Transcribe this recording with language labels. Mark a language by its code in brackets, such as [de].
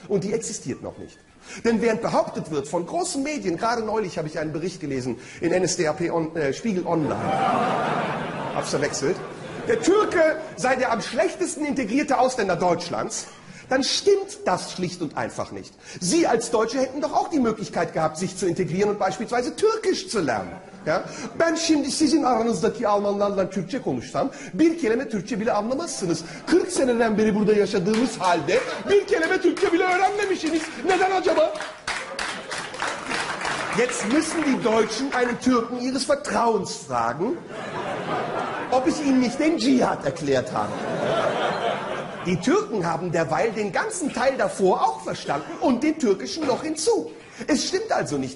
[de] Und die existiert noch nicht. Denn während behauptet wird von großen Medien, gerade neulich habe ich einen Bericht gelesen in NSDAP Spiegel Online, hab's verwechselt, der Türke sei der am schlechtesten integrierte Ausländer Deutschlands, dann stimmt das schlicht und einfach nicht. Sie als Deutsche hätten doch auch die Möglichkeit gehabt, sich zu integrieren und beispielsweise Türkisch zu lernen. [tr] Ya, ben şimdi sizin aranızdaki Almanlarla Türkçe konuşsam bir kelime Türkçe bile anlamazsınız. 40 seneden beri burada yaşadığımız halde bir kelime Türkçe bile öğrenmemişsiniz. Neden acaba? [de] Jetzt müssen die Deutschen einen Türken ihres Vertrauens fragen, ob ich ihnen nicht den Dschihad erklärt habe. Die Türken haben derweil den ganzen Teil davor auch verstanden und den türkischen noch hinzu. Es stimmt also nicht.